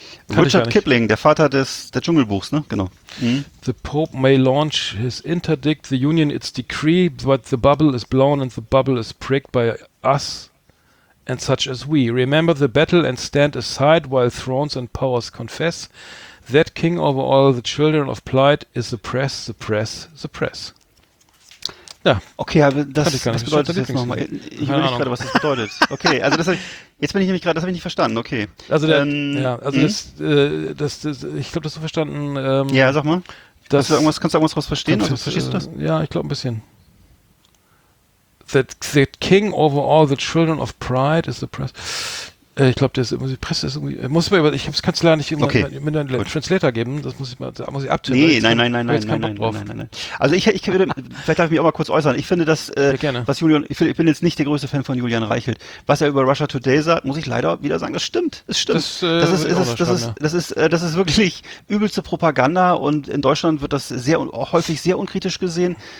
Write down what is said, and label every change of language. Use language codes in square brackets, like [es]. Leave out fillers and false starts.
[de] Richard Kipling, der Vater des Dschungelbuchs, ne? Genau. [en] The Pope may launch his interdict, the Union its decree, but the bubble is blown and the bubble is pricked by us and such as we. Remember the battle and stand aside while thrones and powers confess that king over all the children of plight is the press, the press, the press. [de] Ja. Okay, aber das bedeutet das jetzt nochmal. Ich weiß nicht gerade, was das bedeutet. Okay, also das habe ich nicht verstanden. Okay. Also ich glaube, das hast du verstanden. Ja, sag mal. Kannst du irgendwas daraus verstehen? Verstehst du das? Ja, ich glaube ein bisschen. [en] That king over all the children of pride is the press. [de] Ich glaube, die Presse ist irgendwie. Ich habe es ganz leider nicht mit einem Translator geben. Das muss ich mal abtippen. Nein. Also ich würde, vielleicht darf ich mich auch mal kurz äußern. Ich finde das, was Julian, ich bin jetzt nicht der größte Fan von Julian Reichelt. Was er über Russia Today sagt, muss ich leider wieder sagen, das stimmt. Es stimmt. Das ist wirklich übelste Propaganda, und in Deutschland wird das sehr häufig sehr unkritisch gesehen.